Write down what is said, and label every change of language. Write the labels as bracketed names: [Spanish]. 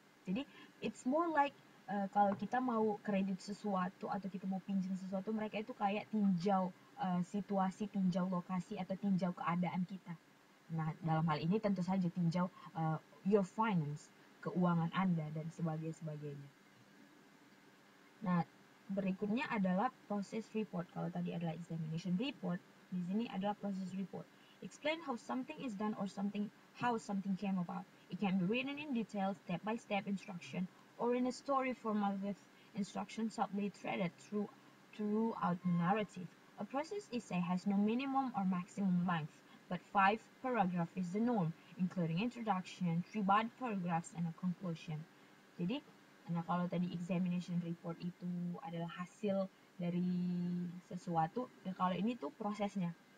[Indonesian] Jadi, [English] it's more like [Indonesian] kalau kita mau kredit sesuatu atau kita mau pinjam sesuatu, mereka itu kayak tinjau situasi, tinjau lokasi, atau tinjau keadaan kita. Nah, dalam hal ini tentu saja tinjau [English] your finance, [Indonesian] keuangan Anda, dan sebagainya. Nah, berikutnya adalah process report. Kalau tadi adalah examination report, di sini adalah process report. [English] Explain how something is done or how something came about. It can be written in detail, step-by-step instruction, or in a story format with instructions subtly threaded throughout the narrative. A process essay has no minimum or maximum length, but 5 paragraphs is the norm, including introduction, 3 body paragraphs, and a conclusion. [Indonesian] Jadi, Nah, kalau tadi examination report itu adalah hasil dari sesuatu, ya kalau ini tuh prosesnya.